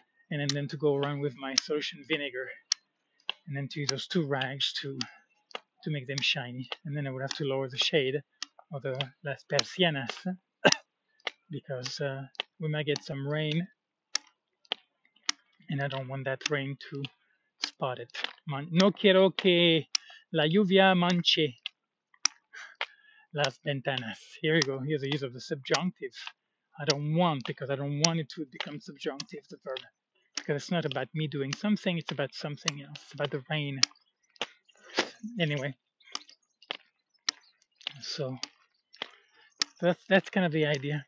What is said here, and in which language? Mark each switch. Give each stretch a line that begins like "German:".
English: And then to go run with my solution vinegar. And then to use those two rags to make them shiny. And then I would have to lower the shade or the
Spanish: las persianas
English: because we might get some rain. And I don't want that rain to spot it.
Spanish: No quiero que la lluvia manche las ventanas.
English: Here you go. Here's the use of the subjunctive. I don't want, because I don't want it to become subjunctive, the verb. Because it's not about me doing something, it's about something else. It's about the rain. Anyway. So, that's kind of the idea.